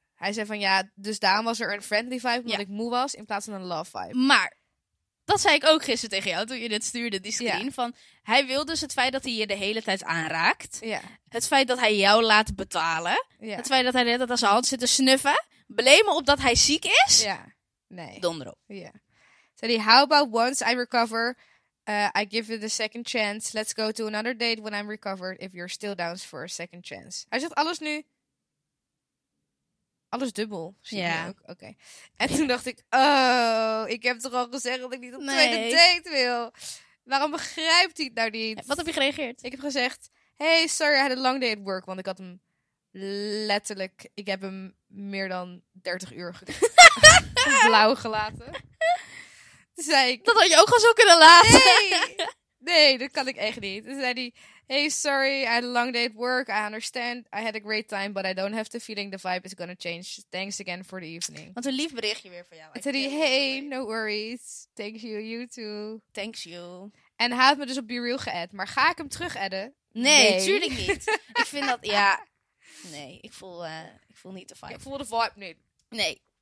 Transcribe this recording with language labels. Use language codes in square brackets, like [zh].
[nl] Hij zei van, ja, dus daarom was er een friendly vibe. Omdat ik moe was in plaats van een love vibe. Maar, dat zei ik ook gisteren tegen jou toen je dit stuurde, die screen. [en] Yeah. [nl] Van, hij wil dus het feit dat hij je de hele tijd aanraakt. [en] Yeah. [nl] Het feit dat hij jou laat betalen. [en] Yeah. [nl] Het feit dat hij net aan zijn hand zit te snuffen. Blamen op dat hij ziek is. Ja, yeah. Nee. Donder op. [en] Yeah. [nl] Zei hij, [en] how about once I recover, I give you the second chance. Let's go to another date when I'm recovered if you're still down for a second chance. [nl] Hij zegt alles nu. Alles dubbel. Ja. Oké. En toen dacht ik, oh, ik heb toch al gezegd dat ik niet op tweede date wil. Waarom begrijpt hij het nou niet? Wat heb je gereageerd? Ik heb gezegd, [en] hey, sorry, I had a long day at work. [nl] Want ik had hem letterlijk, ik heb hem meer dan 30 uur blauw gelaten. Toen zei ik, dat had je ook al zo kunnen laten. Nee, dat kan ik echt niet. Toen zei hij, [en] hey, sorry, I had a long day at work. I understand. I had a great time, but I don't have the feeling the vibe is gonna change. Thanks again for the evening. [nl] Wat een lief berichtje weer van jou. Toen zei hij, [en] hey, no worries. Thank you, you too. Thanks you. [nl] En hij had me dus op BeReal geadd. Maar ga ik hem terug adden? Nee, tuurlijk niet. Ik vind dat, ja. Nee, ik voel niet de vibe. Ik voel de vibe niet. Nee.